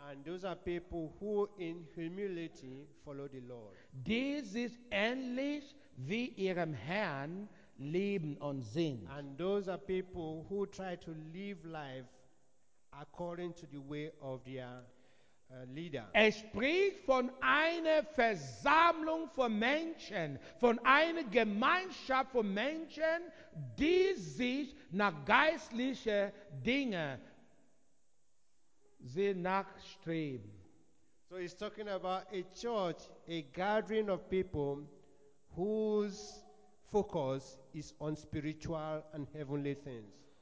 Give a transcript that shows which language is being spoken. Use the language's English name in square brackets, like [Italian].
[English] And those are people who in humility follow the Lord. [German] Dies ist ähnlich wie ihrem Herrn leben und sind. [English] And those are people who try to live life according to the way of their leader. [German] Er spricht von einer Versammlung von Menschen, von einer Gemeinschaft von Menschen, die sich nach geistlichen Dingen sie nachstreben. [English] So he's talking about a church, a gathering of people whose focus is on spiritual and heavenly things.